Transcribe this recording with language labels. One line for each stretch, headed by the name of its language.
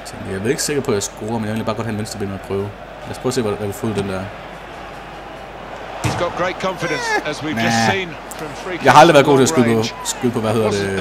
Danish: Jeg er ikke sikker på, at jeg scorer, men jeg vil bare godt have en venstreben at prøve. Lad os prøve at se, hvad vi får den der.
English: He's got great confidence, as we've just seen.
Danish: Jeg har aldrig været god til at skyde på, hvad hedder det,